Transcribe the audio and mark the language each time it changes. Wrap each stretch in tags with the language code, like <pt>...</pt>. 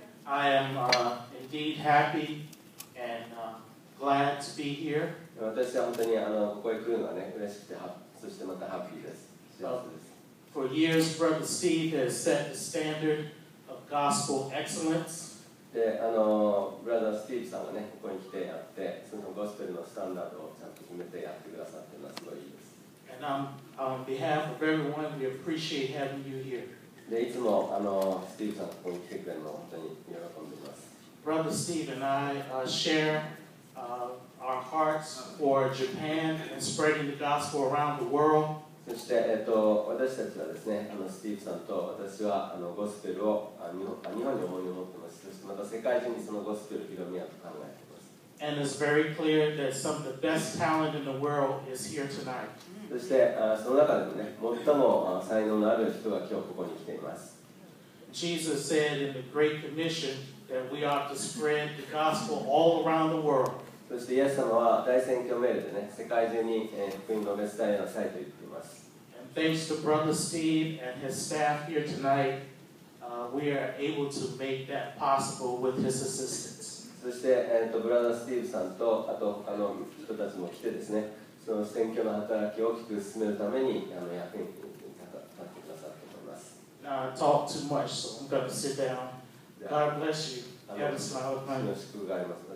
<en>I am indeed happy and glad to be here.</en> <ja>私は本当にあのここへ来るのはね、嬉しくて、そしてまたハッピーです。</ja> <en>Well, for years, Brother Steve has set the standard of gospel excellence.</en> <ja>で、あの、Brother Steve さんがね、ここに来てやって、そのゴスペルのスタンダードをちゃんと決めてやってくださってます。すごいいいです。</ja> <en>And on behalf of everyone, we appreciate having you here.</en> <ja>で、いつもあの、Steve さんここに来てくれるの本当に喜んでます。</ja> <en>Brother Steve and I share our hearts for Japan and spreading the gospel around the world.</en> <ja>そして、私たちはですね、あのスティーブさんと私はあのゴスペルを日本に思いを持っています。そしてまた世界中にそのゴスペルを広めようと考えています。</ja> <en>And it's very clear that some of the best talent in the world is here tonight.</en> <ja>そして、その中でもね、最も才能のある人が今日ここに来ています。</ja> <en>Jesus said in the Great Commission that we ought to spread the gospel all around the world.</en> <ja>そして、イエス様は大宣教命令でね、世界中に福音を述べ伝えなさいと言って、</ja> <en>Thanks to Brother Steve and his staff here tonight, we are able to make that possible with his assistance.</en> <ja>そして、Brother Steve さんと、あと、あの、人たちも来てですね、その宣教の働きを大きく進めるために、あの、役に立ってくださると思います。</ja> <en>Now, I talked too much, so I'm going to sit down. God bless you. You have a smile of mine.</en> <ja>祝福があります。</ja>